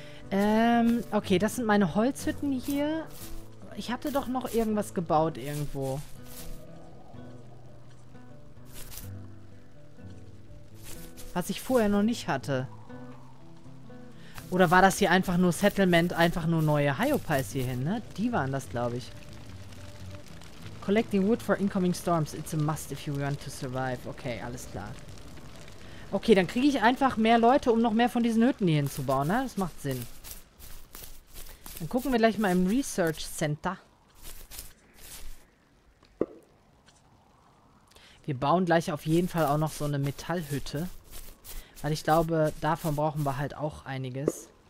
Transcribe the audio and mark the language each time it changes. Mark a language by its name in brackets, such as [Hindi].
[German] Okay, das sind meine Holzhütten hier. Ich hatte doch noch irgendwas gebaut irgendwo. Was ich vorher noch nicht hatte. Oder war das hier einfach nur Settlement, einfach nur neue Hyopies hierhin, ne? Die waren das, glaube ich. [English] Collecting wood for incoming storms. It's a must if you want to survive. [German] Okay, alles klar. Okay, dann kriege ich einfach mehr Leute, um noch mehr von diesen Hütten hier hinzubauen, ne? Das macht Sinn. Dann gucken wir gleich mal im Research Center. Wir bauen gleich auf jeden Fall auch noch so eine Metallhütte. Weil ich glaube, davon brauchen wir halt auch einiges.